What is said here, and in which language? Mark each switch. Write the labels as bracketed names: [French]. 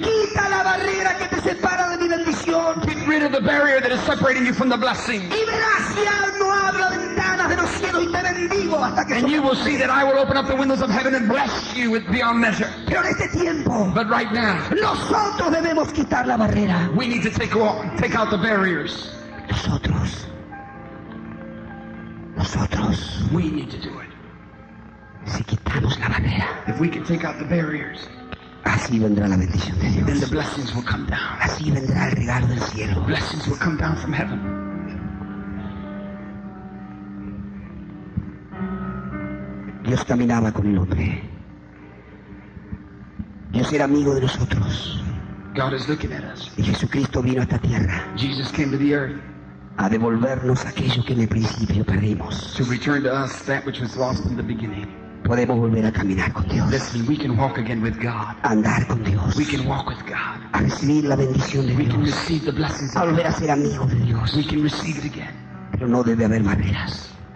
[Spanish] quita la barrera que te separa de mi bendición. [English] Get rid of the barrier that is separating you from the blessing. [Spanish] Y verás si no abro ventanas de los cielos y te bendigo hasta que [English] and you will see that I will open up the windows of heaven and bless you with beyond measure. [Spanish] Pero en este tiempo, [English] but right now, [Spanish] nosotros debemos quitar la barrera. [English] We need to take out the barriers. [Spanish] Nosotros. Nosotros. [English] We need to do it. [Spanish] Si quitamos la barrera, [English] if we can take out the barriers, [Spanish] así vendrá la bendición de Dios. [English] Then the blessings will come down. [Spanish] Así vendrá el regalo del cielo. [English] Blessings will come down from heaven. [Spanish] Dios caminaba con el hombre. Dios era amigo de nosotros. [English] God is looking at us. [Spanish] Y Jesucristo vino a esta tierra. [English] Jesus came to the earth. [Spanish] A devolvernos aquello que en el principio perdimos. [English] To return to us that which was lost in the beginning. [Spanish] Podemos volver a caminar con Dios. [English] Listen, we can walk again with God. [Spanish] Andar con Dios. [English] We can walk with God. [Spanish] A recibir la bendición de [English] we [Spanish] Dios. [English] Can receive the blessings [Spanish] a volver a ser amigo de Dios. [English] We can receive it again. [Spanish] Pero no debe haber barreras.